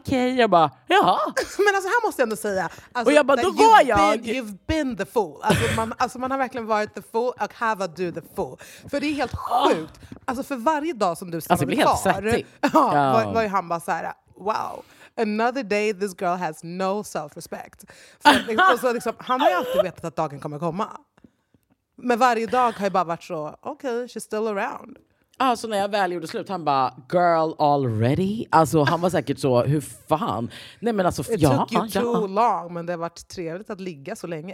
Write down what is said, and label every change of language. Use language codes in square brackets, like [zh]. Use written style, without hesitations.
[sv] Okay. Jag bara, jaha. Men alltså här måste jag ändå säga. Alltså, och jag bara, då går jag. [en] You've been the fool. [sv] Alltså man har verkligen varit [en] the fool. [sv] Och här var du [en] the fool. [sv] För det är helt sjukt. Alltså för varje dag som du stannar alltså, blir helt kvar. Var ju han bara så här, wow. [en] Another day this girl has no self-respect. [sv] Så, och så liksom, han har ju alltid vetat att dagen kommer komma. Men varje dag har ju bara varit så, okej, [en] she's still around. [sv] Alltså när jag väl gjorde slut, han bara, [en] girl already? [sv] Alltså han var säkert så, hur fan? Nej men alltså, [en] it took you too long, [sv] men det har varit trevligt att ligga så länge.